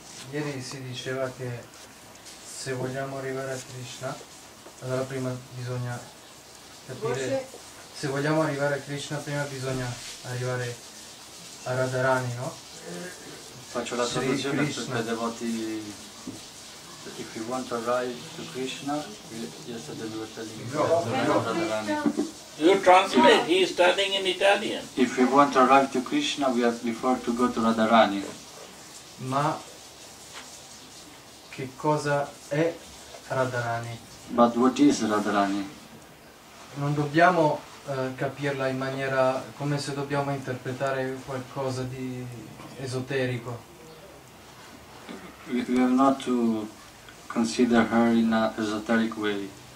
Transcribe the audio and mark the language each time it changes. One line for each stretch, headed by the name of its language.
Italian: Ieri si diceva che se vogliamo arrivare a Krishna, allora prima bisogna capire. Se vogliamo arrivare a Krishna, prima bisogna arrivare a Radharani, no? Faccio la traduzione per i devoti.
English: If you want to arrive to Krishna, yes, the devotee. You translate, he is studying in Italian. If you want to arrive to Krishna, we have before to go to Radharani.
Italian: Ma che cosa è Radharani?
English: But what is Radharani?
Italian: Non dobbiamo capirla in maniera come se dobbiamo interpretare qualcosa di esoterico.
English: We have not to consider her in an esoteric way.